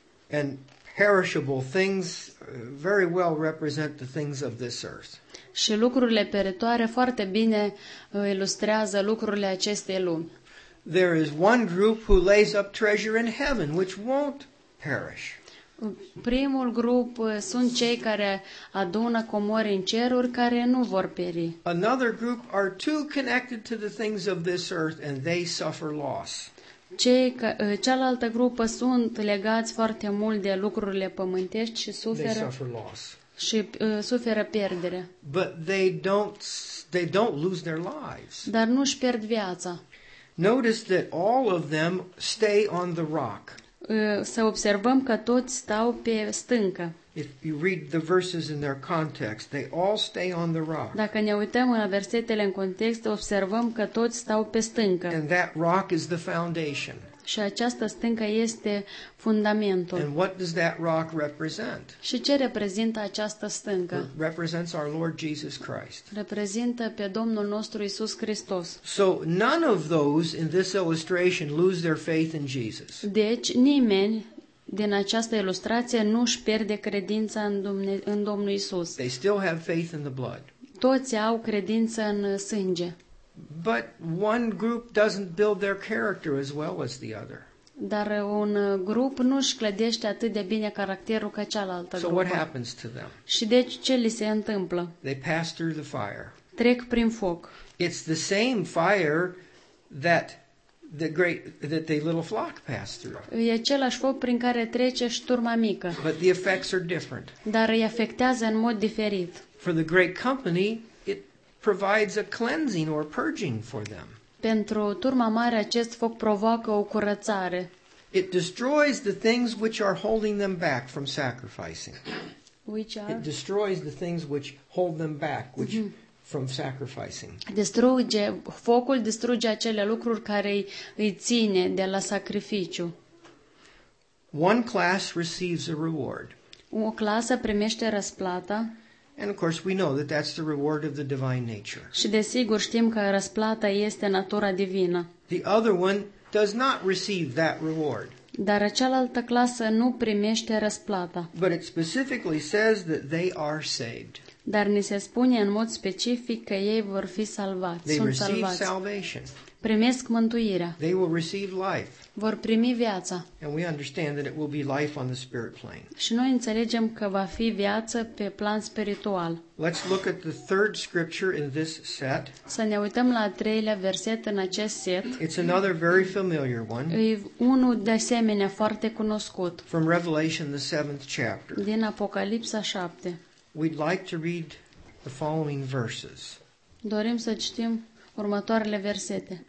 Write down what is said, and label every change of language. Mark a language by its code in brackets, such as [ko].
[en] And perishable things very well represent the things of this earth. [ro] Și lucrurile peritoare foarte bine ilustrează lucrurile acestei lumi. [en] There is one group who lays up treasure in heaven which won't perish. [ro] Primul grup sunt cei care adună comori în ceruri care nu vor pieri. [en] Another group are too connected to the things of this earth and they suffer loss. [ro] Cealaltă grupă sunt legați foarte mult de lucrurile pământești și suferă. [en] They suffer loss. [ro] Și suferă pierdere. [en] But they don't lose their lives. [ro] Dar nu își pierd viața. [en] Notice that all of them stay on the rock. [ro] Să observăm că toți stau pe stâncă. [en] If you read the verses in their context, they all stay on the rock. [ro] Dacă ne uităm la versetele în context, observăm că toți stau pe stâncă. [en] And that rock is the foundation. [ro] Și această stâncă este fundamentul. [en] And what does that rock represent? [ro] Și ce reprezintă această stâncă? [en] It represents our Lord Jesus Christ. [ro] Reprezintă pe Domnul nostru Iisus Hristos. [en] So none of those in this illustration lose their faith in Jesus. [ro] Deci nimeni din această ilustrație nu își pierde credința în Domnul Iisus. [en] They still have faith in the blood. [ro] Toți au credință în sânge. [en] But one group doesn't build their character as well as the other. [ro] Dar un grup nu își clădește atât de bine caracterul ca cealaltă grupă. [en] So what happens to them? [ro] Și deci ce li se întâmplă? [en] They pass through the fire. [ro] Trec prin foc. [en] It's the same fire that the little flock passed through. [ro] E același foc prin care trece șturma mică. [en] But the effects are different. [ro] Dar îi afectează în mod diferit. [en] For the great company, provides a cleansing or purging for them. [ro] Pentru turma mare, acest foc provoacă o curățare. [en] It destroys the things which are holding them back from sacrificing. Which are? It destroys the things which hold them back from sacrificing. [ro] Focul distruge acele lucruri care îi ține de la sacrificiu. [en] One class receives a reward. [ro] O clasă primește răsplata. [en] And of course we know that that's the reward of the divine nature. [ro] Și desigur știm că răsplata este natura divină. [en] The other one does not receive that reward. [ro] Dar cealaltă clasă nu primește răsplata. [en] But it specifically says that they are saved. [ro] Dar ni se spune în mod specific că ei vor fi salvați. [en] They [ro] sunt [en] receive [ro] salvați. [en] Salvation. [ro] Primesc mântuirea. [en] They will receive life. [ro] Vor primi viața. [en] And we understand that it will be life on the spirit plane. [ro] Și noi înțelegem că va fi viață pe plan spiritual. [en] Let's look at the third scripture in this set. [ro] Să ne uităm la al treilea verset în acest set. [en] It's another very familiar one. [ro] E unul de asemenea foarte cunoscut. [en] From Revelation the 7th chapter. [ro] Din Apocalipsa 7. [en] We'd like to read the following verses. [ro] Dorim să citim următoarele versete.